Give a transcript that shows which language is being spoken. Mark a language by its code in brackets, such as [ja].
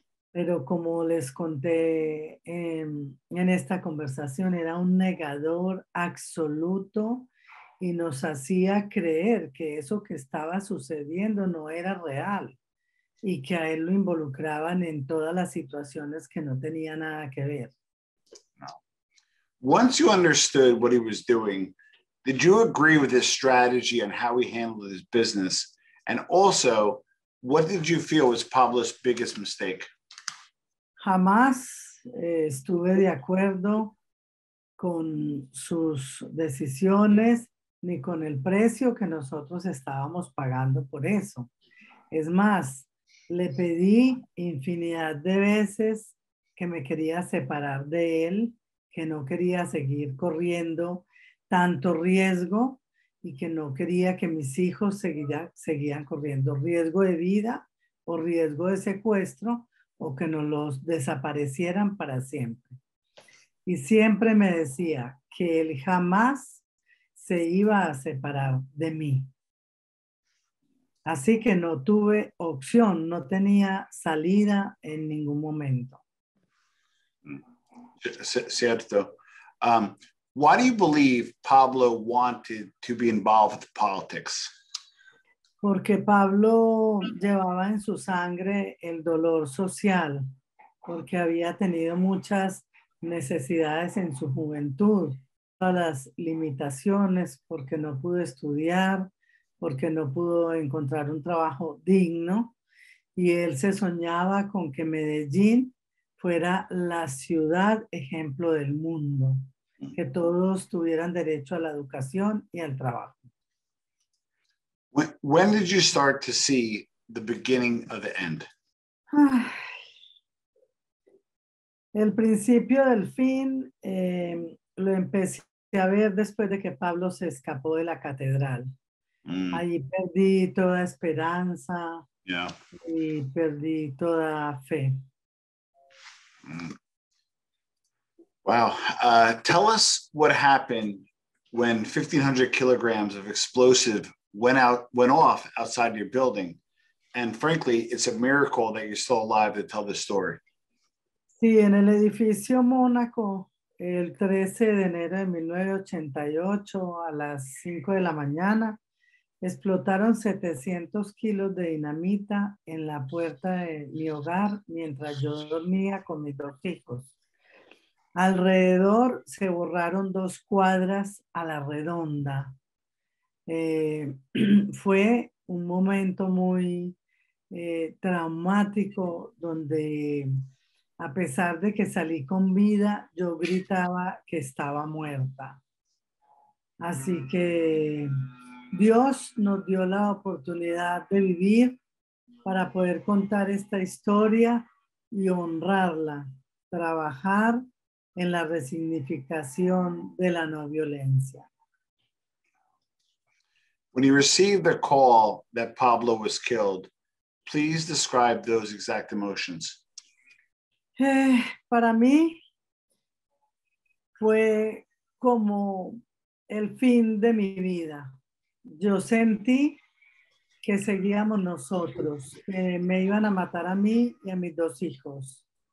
[es] Pero como les conté en esta conversación, era un negador absoluto y nos hacía creer que eso que estaba sucediendo no era real y que a él lo involucraban en todas las situaciones que no tenía nada que ver. [en] Once you understood what he was doing, did you agree with his strategy on how he handled his business? And also, what did you feel was Pablo's biggest mistake? [es] Jamás estuve de acuerdo con sus decisiones ni con el precio que nosotros estábamos pagando por eso. Es más, le pedí infinidad de veces que me quería separar de él, que no quería seguir corriendo tanto riesgo y que no quería que mis hijos seguían corriendo riesgo de vida o riesgo de secuestro o que nos los desaparecieran para siempre. Y siempre me decía que él jamás se se iba a separar de mí. Así que no tuve opción, no tenía salida en ningún momento. Cierto. [en] Why do you believe Pablo wanted to be involved with politics? [es] Porque Pablo llevaba en su sangre el dolor social, porque había tenido muchas necesidades en su juventud, las limitaciones, porque no pudo estudiar, porque no pudo encontrar un trabajo digno, y él se soñaba con que Medellín fuera la ciudad ejemplo del mundo, que todos tuvieran derecho a la educación y al trabajo. [en] When did you start to see the beginning of the end? [es] El principio del fin lo empecé a ver después de que Pablo se escapó de la catedral. Mm. Allí perdí toda esperanza. [en] Yeah. [es] Y perdí toda fe. [en] Mm. Wow. Tell us what happened when 1,500 kilograms of explosive went off outside your building. And frankly, it's a miracle that you're still alive to tell this story. [es] Sí, en el edificio Mónaco, el 13 de enero de 1988, a las 5 de la mañana, explotaron 700 kilos de dinamita en la puerta de mi hogar mientras yo dormía con mis dos hijos. Alrededor se borraron dos cuadras a la redonda. Fue un momento muy traumático donde, a pesar de que salí con vida, yo gritaba que estaba muerta. Así que Dios nos dio la oportunidad de vivir para poder contar esta historia y honrarla, trabajar en la resignificación de la no violencia. [en] When you received the call that Pablo was killed, please describe those exact emotions. [es] Para mí fue como el fin de mi vida. Yo sentí que seguíamos nosotros, que me iban a matar a mí y a mis dos hijos.